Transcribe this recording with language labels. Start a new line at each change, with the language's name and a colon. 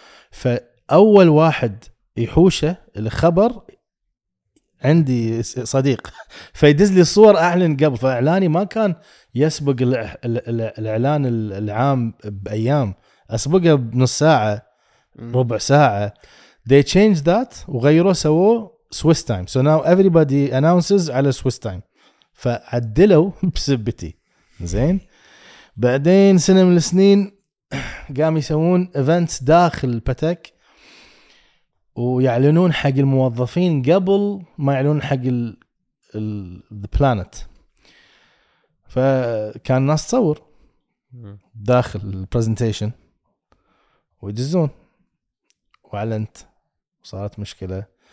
Arabic: فاول واحد يحوشه الخبر عندي صديق فيدز لي صور اعلن قبل. فاعلاني ما كان يسبق الاعلان العام بايام اسبقه بنص ساعه ربع ساعه. They changed that وغيروا سووا سويس تايم.
English: So now everybody announces على Swiss time.
Arabic: فعدلوا بسبتي زين. بعدين سنة من السنين قام يسوون events داخل باتك ويعلنون حق الموظفين قبل ما يعلنون حق the planet. فكان ناس تصور داخل البرزنتيشن ويدزون وعلنت صارت مشكلة.